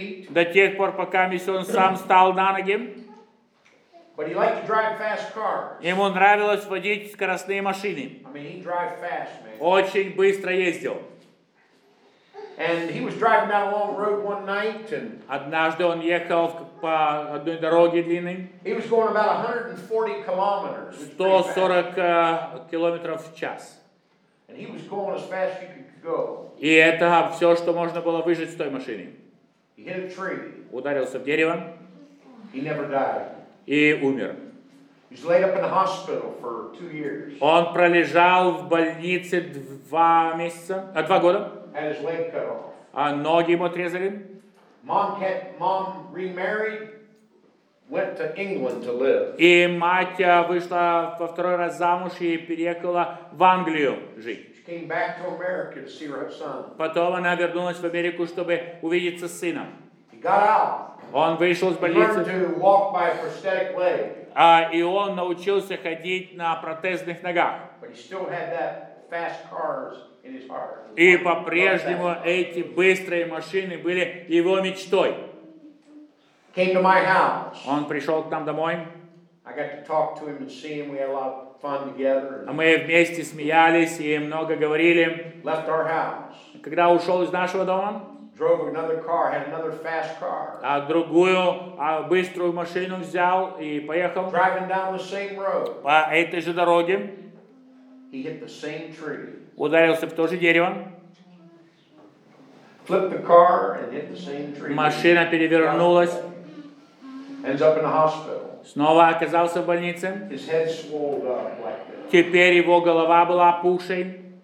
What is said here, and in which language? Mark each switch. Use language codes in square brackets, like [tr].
[ru] До тех пор, пока он сам стал на ноги. [en] But he liked to drive fast cars. [ru] Ему нравилось водить скоростные машины. [en] I mean, he'd drive fast, man. [ru] Очень быстро ездил. [en] And he was driving down a long road one night, and [ru] однажды он ехал по одной дороге длинной. [en] He was going about 140 kilometers. [ru] 140 километров в час. [en] And he was going as fast as you could go. [ru] И это все, что можно было выжить с той машины. [en] He hit a tree. [ru] Ударился в дерево. [en] He never died. [ru] И умер. [en] He's laid up in the hospital for 2 years. [ru] Он пролежал в больнице 2 года. [en] Had his leg cut off. [ru] А ноги ему отрезали. [en] Mom remarried, went to England to live. [ru] И мать вышла во второй раз замуж и переехала в Англию жить. [en] She came back to America to see her son. [ru] Потом она вернулась в Америку, чтобы увидеться с сыном. [en] He [ru] Он вышел из больницы. [en] Learned to walk by a prosthetic leg. [ru] И он научился ходить на протезных ногах. [en] But he still had that fast cars in his heart. [ru] И по-прежнему эти быстрые машины были его мечтой. [en] Came to my house. [ru] Он пришел к нам домой. [en] I got to talk to him and see him. We had a lot of fun together. [ru] Мы вместе смеялись и много говорили. [en] Left our house. [ru] Когда ушел из нашего дома? [en] Drove another car, had another fast car. [ru] А другую, а быструю машину взял и поехал. [en] Driving down the same road. [ru] По этой же дороге. [en] He hit the same tree. [ru] Ударился в то же дерево. [en] Flipped the car and hit the same tree. [ru] Машина перевернулась. [en] Ends up in the hospital. [ru] Снова оказался в больнице. [en] His head swelled up like this. [ru] Теперь его голова была опухшей.